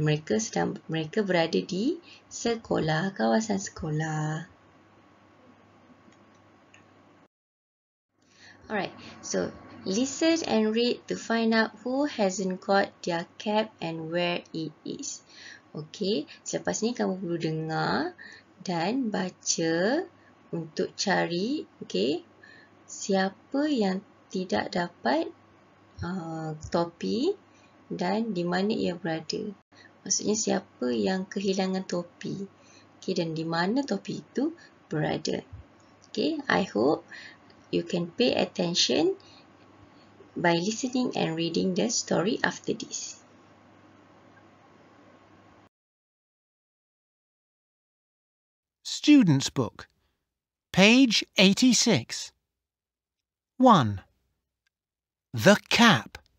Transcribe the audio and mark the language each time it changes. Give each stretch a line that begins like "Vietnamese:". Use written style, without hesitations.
Malay: Mereka berada di sekolah, kawasan sekolah.
English: Alright, so listen and read to find out who hasn't got their cap and where it is.
Malay: Okay, selepas ni kamu perlu dengar dan baca untuk cari, okay, siapa yang tidak dapat topi dan di mana ia berada. Maksudnya siapa yang kehilangan topi. Okay, dan di mana topi itu berada.
English: Okay, I hope you can pay attention by listening and reading the story after this. Student's book, page 86. 1. The cap.